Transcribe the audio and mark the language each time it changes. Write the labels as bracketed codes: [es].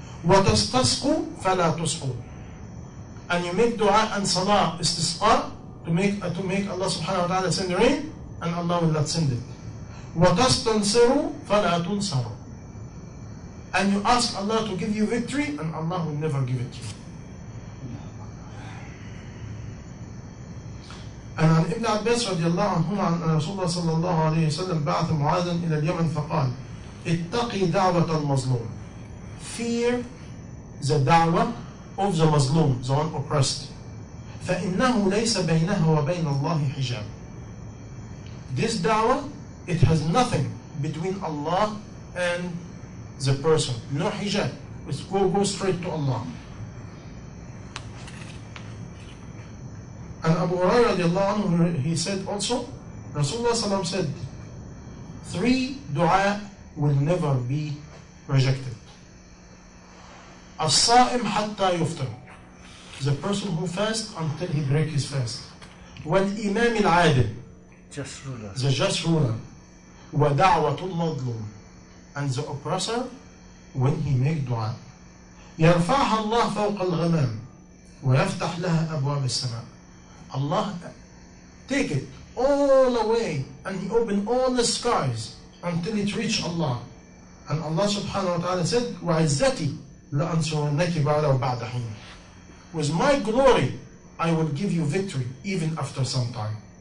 [ar] Wa tastasqu, fala tusqu. [en] And you make dua and salah, istisqa, to make Allah subhanahu wa ta'ala send rain, and Allah will not send it. [ar] وَتَسْتَنْصِرُوا فَلَا تُنْصَرُوا. [en] And you ask Allah to give you victory, and Allah will never give it to you. And on Ibn Abbas [ar] رضي الله عنه عن رسول الله صلى الله عليه وسلم بعث معاذا إلى اليمن فقال اتقي دعوة المظلوم. [en] Fear the da'wah of the مظلوم, the one oppressed. [ar] فَإِنَّهُ لَيْسَ بَيْنَهُ وَبَيْنَ اللَّهِ حِجَابٌ. [en] This da'wah, it has nothing between Allah and the person. No hijab. It goes straight to Allah. And Abu Huraira radiallahu anhu, he said also, Rasulullah sallam said, three dua will never be rejected. [ar] As-sa'im hatta yuftar. [en] The person who fasts until he breaks his fast. [ar] Wal-imam al-adil. [en] Just ruler. The just ruler. [ar] ودعوة المظلوم, [en] and the oppressor when he make dua. [ar] يرفعها الله فوق الغمام ويفتح لها أبواب السماء. [en] Allah take it all away, and he open all the skies until it reach Allah. And Allah subhanahu wa ta'ala said, [ar] وعزتي لأنصرنك بعد حين. [en] With my glory, I will give you victory even after some time.